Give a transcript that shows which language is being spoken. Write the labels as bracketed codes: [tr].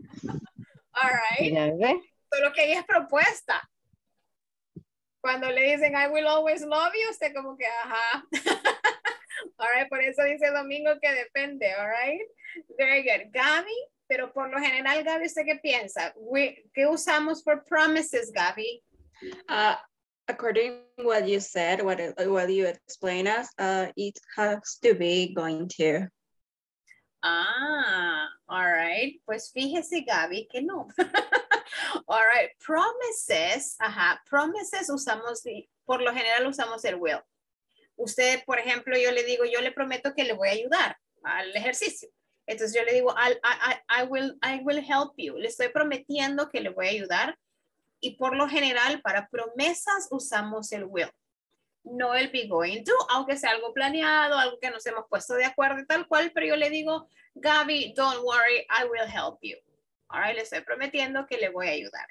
[es] All right. Solo que ahí es propuesta. Cuando le dicen, [en] I will always love you, [es] usted como que, ajá. All right, por eso dice Domingo que depende, all right. [en] Very good. [es] Gaby. Pero por lo general, Gaby, ¿usted qué piensa? ¿Qué usamos [en] for promises, [es] Gaby? [en] According to what you said, what you explained us, it has to be going to. [es] Ah, all right. Pues fíjese, Gaby, que no. All right, promises, ajá. Promises usamos, por lo general usamos el will. Usted, por ejemplo, yo le digo, yo le prometo que le voy a ayudar al ejercicio. Entonces yo le digo, [en] I will help you. [es] Le estoy prometiendo que le voy a ayudar. Y por lo general, para promesas usamos el will. No el be going to, aunque sea algo planeado, algo que nos hemos puesto de acuerdo y tal cual. Pero yo le digo, [en] Gaby, don't worry, I will help you. [es] All right, le estoy prometiendo que le voy a ayudar.